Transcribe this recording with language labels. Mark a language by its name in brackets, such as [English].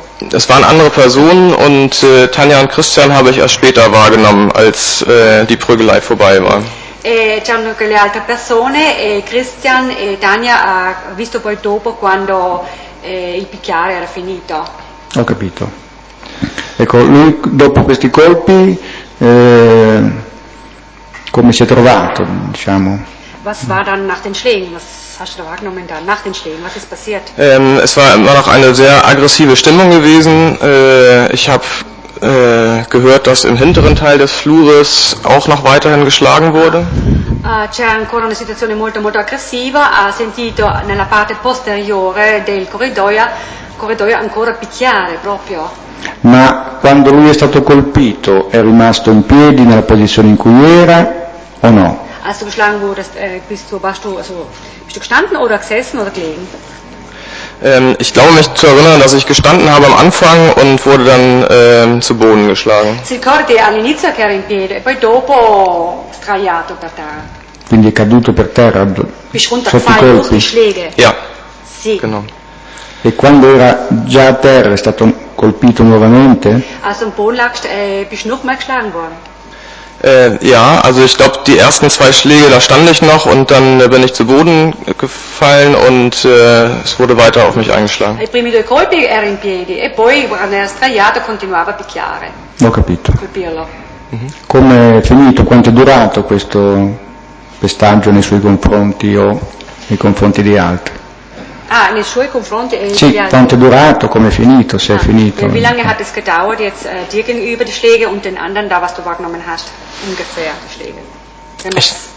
[German] Es waren andere Personen und Tanja und Christian habe ich erst später wahrgenommen, als die Prügelei vorbei war. [Italian] C'erano anche le altre persone, Christian e Tanja ha visto poi dopo quando il picchiare era finito. Ho capito. Ecco, lui dopo questi colpi come si è trovato, diciamo? [German] Was war dann nach den Schlägen? Was hast du da wahrgenommen da? Nach den Schlägen, was ist passiert? Es war immer noch eine sehr aggressive Stimmung gewesen. Ich habe gehört, dass im hinteren Teil des Flures auch noch weiterhin geschlagen wurde. [Italian] C'è ancora una situazione molto molto aggressiva. Ha sentito nella parte posteriore del corridoio ancora picchiare proprio. Ma quando lui è stato colpito, è rimasto in piedi nella posizione in cui era o no? [German] Als du geschlagen wurdest, bist du gestanden oder gesessen oder gelegen? Ich glaube mich zu erinnern, dass ich gestanden habe am Anfang und wurde dann zu Boden geschlagen. [Italian] Si ricordi all'inizio che eri in piedi e poi dopo sdraiato per terra. Quindi è caduto per terra sotto i colpi? [German] Ja. [Italian] Sì. [German] Genau. [Italian] E quando era già a terra è stato colpito nuovamente? [German] Also im Boden lagst, bist noch mal geschlagen worden. Ja, also ich glaube, die ersten zwei Schläge, da stand ich noch und dann bin ich zu Boden gefallen und es wurde weiter auf mich eingeschlagen. [Italian] I primi due colpi erano in piedi e poi quando era straiato continuava a picchiare. Ho capito. Colpirlo. Come è finito? Quanto è durato questo pestaggio nei suoi confronti o nei confronti di altri? Ah, nei suoi confronti e sì, altri. Quanto è durato, come è finito, se ah, è finito. [German] Wie lange hat es gedauert jetzt dir gegenüber die Schläge und den anderen da, was du wahrgenommen hast, ungefähr die Schläge?